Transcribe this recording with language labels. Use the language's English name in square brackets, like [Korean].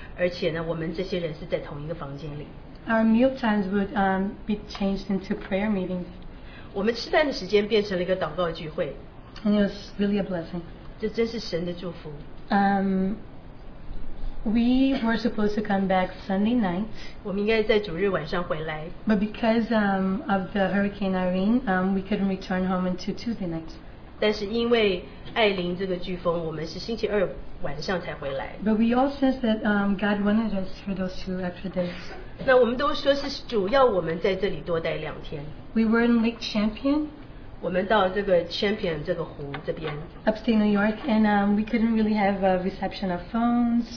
[Chinese] 很好的就是说我们可以分享共同的经验、经历、感觉，而且呢，我们这些人是在同一个房间里。 [English] Our meal times would be changed into prayer meetings. [Chinese] 我们吃饭的时间变成了一个祷告聚会。 [English] And it was really a blessing. [Chinese] 这真是神的祝福。 [English] We were supposed to come back Sunday night. [Chinese] 我们应该在主日晚上回来。 [English] But because of the Hurricane Irene, we couldn't return home until Tuesday night. [Chinese] 但是因为艾琳这个飓风，我们是星期二晚上才回来。 [English] But we all sense that God wanted us for those 2 extra days. [Chinese] 那我们都说是主要我们在这里多待两天。 [English] We were in Lake Champion. [Chinese] 我们到这个Champion这个湖这边, [English] upstate New York, and we couldn't really have a reception of phones.